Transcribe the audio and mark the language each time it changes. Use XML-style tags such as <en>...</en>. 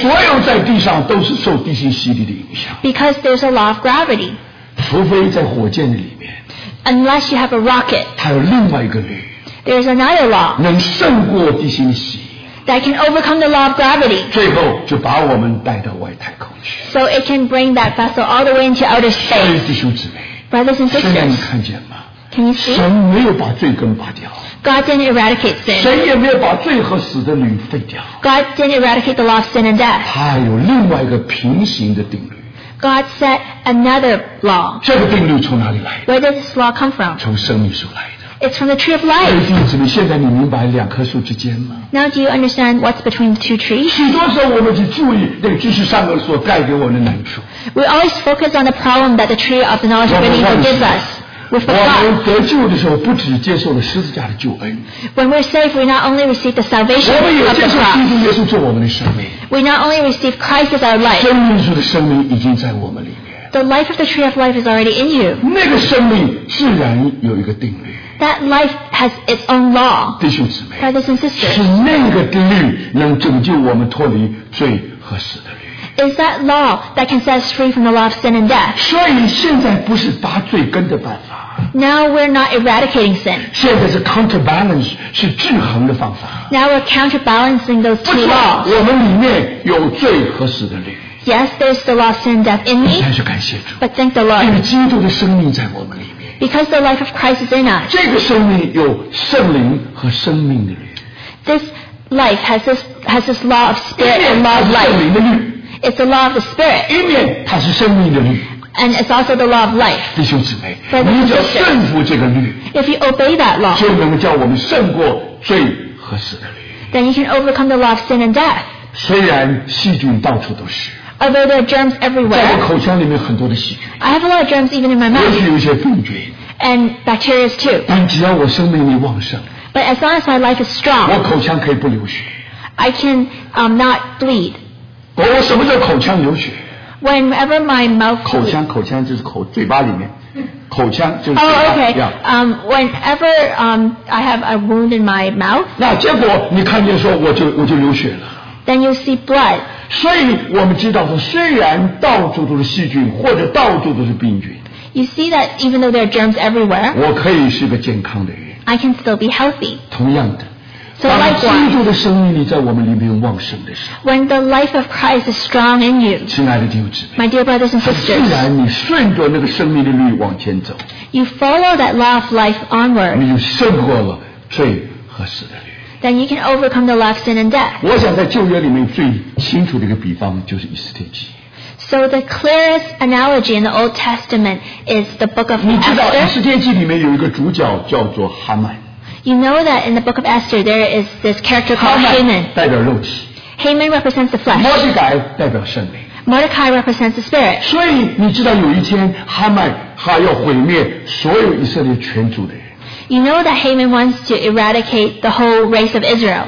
<zh>所有在地上都是受地心吸力的影响。</zh> <en>Because there's a law of gravity.</en> <zh>除非在火箭里面。</zh> <en>Unless you have a rocket.</en> <zh>它有另外一个律。</zh> <en>There's another law.</en> <zh>能胜过地心吸力。</zh> <en>That can overcome the law of gravity.</en> <zh>最后就把我们带到外太空去。</zh> <en>So it can bring that vessel all the way into outer space.</en> <zh>弟兄姊妹。</zh> <en>Brothers and sisters.</en> <zh>现在你看见吗？</zh> <en>Can you see?</en> <zh>神没有把罪根拔掉。</zh> <en>God didn't eradicate sin.</en> <zh>神也没有把罪和死的律废掉。</zh> <en>God didn't eradicate the law of sin and death.</en> <zh>他有另外一个平行的定律。</zh> <en>God set another law.</en> <zh>这个定律从哪里来的？</zh> <en>Where does this law come from?</en> <zh>从生命树来的。</zh> <en>It's from the tree of life.</en> <zh>弟兄姊妹，现在你明白两棵树之间吗？</zh> <en>Now do you understand what's between the two trees?</en> <zh>许多时候我们只注意那个知识善恶所带给我们的难处。</zh> <en>We always focus on the problem that the tree of the knowledge of good and evil gives us. When we're saved, we not only receive the salvation of the cross. We not only receive Christ as our life. The life of the tree of life is already in you. That life has its own law.</en> <zh>弟兄姊妹,</zh> <en>brothers and sisters.</en> <zh>是那个定律能拯救我们脱离罪和死的律。</zh> <en>Is that law that can set us free from the law of sin and death?</en> <zh>所以现在不是拔罪根的办法。</zh> <en>Now we're not eradicating sin.</en> <zh>现在是 counterbalance, 是制衡的方法。</zh> <en>Now we're counterbalancing those two laws.</en> <zh>不错，我们里面有罪和死的律。</zh> <en>Yes, there's the law of sin and death in me.</en> <zh>但是感谢主。</zh> <en>But thank the Lord.</en> <zh>因为基督的生命在我们里面。</zh> <en>Because the life of Christ is in us.</en> <zh>这个生命有圣灵和生命的律。</zh> <en>This life has this law of spirit and law of life.</en> <zh>圣灵的律。</zh> <en>It's the law of the spirit.</en> <zh>一面它是生命的律。</zh> <en>And it's also the law of life.</en> <zh>弟兄姊妹，你要顺服这个律。</zh> <en>If you obey that law,</en> <zh>就能叫我们胜过罪和死的律。</zh> <en>Then you can overcome the law of sin and death.</en> <zh>虽然细菌到处都是。</zh> <en>Although there are germs everywhere.</en> <zh>在我口腔里面很多的细菌。</zh> <en>I have a lot of germs even in my mouth.</en> <zh>也许有些病菌。</zh> <en>And bacteria too.</en> <zh>但只要我生命力旺盛。</zh> <en>But as long as my life is strong,</en> <zh>我口腔可以不流血。</zh> <en>I can not bleed.</en> <zh>我什么叫口腔流血</zh> <en>？Whenever my mouth</en> <zh>口腔就是口嘴巴里面，口腔就是。</zh> <en>Oh, okay. Whenever I have a wound in my mouth.</en> <zh>那结果你看见说我就流血了。</zh> <en>Then you see blood.</en> <zh>所以我们知道说，虽然到处都是细菌或者到处都是病菌。</zh> <en>You see that even though there are germs everywhere.</en> <zh>我可以是个健康的人。</zh> <en>I can still be healthy.</en> <zh>同样的。</zh> <en>So、</en> <zh>当基督的生命力在我们里面旺盛的时候</zh> <en>When the life of Christ is strong in you</en> <zh>亲爱的弟兄姊妹</zh> <en>My dear brothers and sisters</en> <zh>虽然你顺着那个生命的律往前走</zh> <en>You follow that law of life onward</en> <zh>你胜过了罪和死的律</zh> <en>then you can overcome the lust, sin, and death.</en> <zh>我想在旧约里面最清楚的一个比方就是以斯帖记。</zh> <en>So the clearest analogy in the Old Testament is the book of Esther.</en> <zh>你知道以斯帖记里面有一个主角叫做哈曼。</zh> <en>You know that in the book of Esther, there is this character called Haman.</en> <zh>Haman 代表肉体。</zh> <en>Haman represents the flesh.</en> <zh>Mordecai 代表圣灵。</zh> <en>Mordecai represents the spirit.</en> <zh>所以你知道有一天哈曼他要毁灭所有以色列全族的人。</zh> <en>You know that Haman wants to eradicate the whole race of Israel.</en>